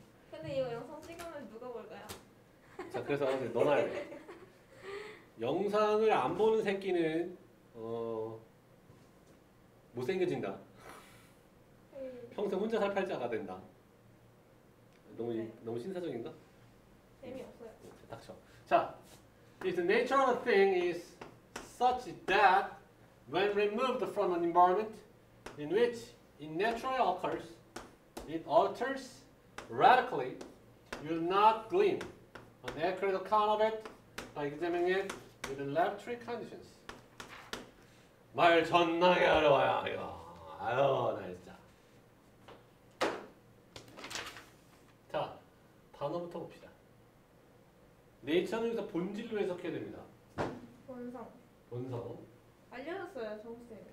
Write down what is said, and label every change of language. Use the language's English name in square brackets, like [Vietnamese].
[Korean] 근데 이거 영상 찍으면 누가 볼까요? 자, 그래서 이제 너나 해. 영상을 안 보는 새끼는 못생겨진다. 평생 혼자 살 팔자가 된다. 너무 네. 너무 신사적인가? 재미없어요. 딱 쳐. [English] 자, if the nature of a thing is such that when removed from an environment in which it naturally occurs, it alters radically, you will not glean an accurate account of it by examining it with laboratory conditions. [Korean] 말 존나게 어려워요, 이거. 아유, 나 진짜. 자, 단어부터 봅시다. 네이처는 여기서 본질로 해석해야 됩니다. 본성. 본성. 알려줬어요, 정쌤.